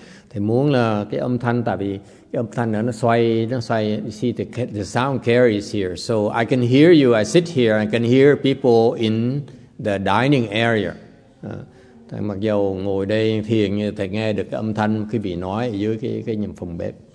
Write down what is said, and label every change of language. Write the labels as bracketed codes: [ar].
[vi] Thì muốn là cái âm thanh, tại vì cái âm thanh nó xoay, [en] you see the sound carries here. So I can hear you, I sit here, I can hear people in the dining area. [vi] Mặc dù ngồi đây thiền, thầy nghe được cái âm thanh quý vị nói ở dưới cái nhầm phòng bếp.